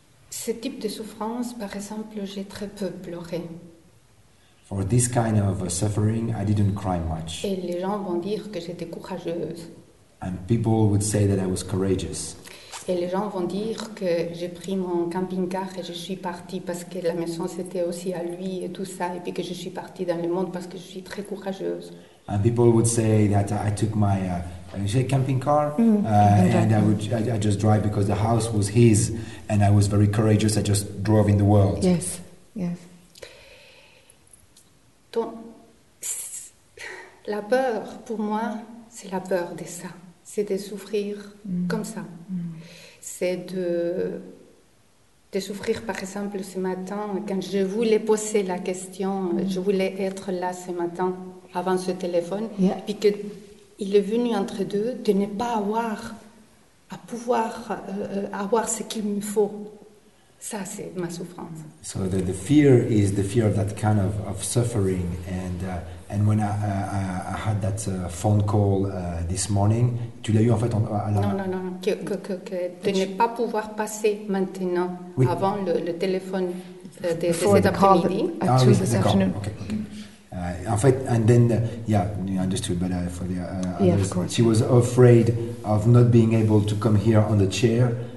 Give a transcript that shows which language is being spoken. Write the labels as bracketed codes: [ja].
[fr] Ce type de souffrance, par exemple, j'ai très peu pleuré. [en] For this kind of suffering, I didn't cry much. [fr] Et les gens vont dire que j'étais courageuse. [en] And people would say that I was courageous. [fr] Et les gens vont dire que j'ai pris mon camping-car et je suis partie parce que la maison c'était aussi à lui et tout ça, et puis que je suis partie dans le monde parce que je suis très courageuse. [en] And people would say that I took my camping-car and I just drive because the house was his and I was very courageous. I just drove in the world. Yes, yes. [fr] Donc, la peur, pour moi, c'est la peur de ça. C'est de souffrir comme ça. Mm. C'est de souffrir, par exemple, ce matin, quand je voulais poser la question, je voulais être là ce matin, avant ce téléphone, puis qu'il est venu entre deux, de ne pas avoir, à pouvoir avoir ce qu'il me faut. Ça, c'est ma souffrance. [en] So the fear is the fear of that kind of suffering, and when I had that phone call this morning, [fr] tu l'as eu en fait que de ne pas pouvoir passer maintenant avant le téléphone de cet après-midi. [en] In fact, and then, you understood, but for the others, of course. She was afraid of not being able to come here on the chair.